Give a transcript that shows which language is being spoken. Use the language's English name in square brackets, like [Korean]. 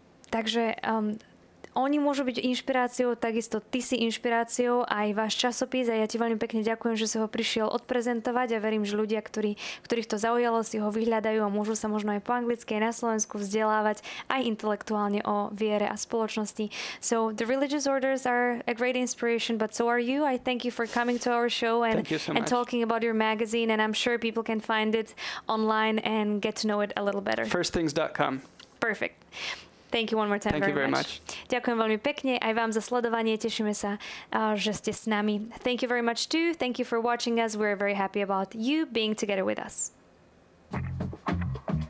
[Slovak] Takže oni môžu byť inšpiráciou, takisto ty si inšpiráciou, aj váš časopis, a ja ti veľmi pekne ďakujem, že si ho prišiel odprezentovať, a verím, že ľudia, ktorých to zaujalo, si ho vyhľadajú a môžu sa možno aj po anglicky, aj na Slovensku vzdelávať aj intelektuálne o viere a spoločnosti. [English] So the religious orders are a great inspiration, but so are you. I thank you for coming to our show and talking about your magazine, and I'm sure people can find it online and get to know it a little better. Firstthings.com. Perfect. Thank you one more time. Thank very you very much. [Slovak] Ďakujem veľmi pekne aj vám za sledovanie. Tešíme sa, že ste s nami. [English] Thank you very much too. Thank you for watching us. We're very happy about you being together with us.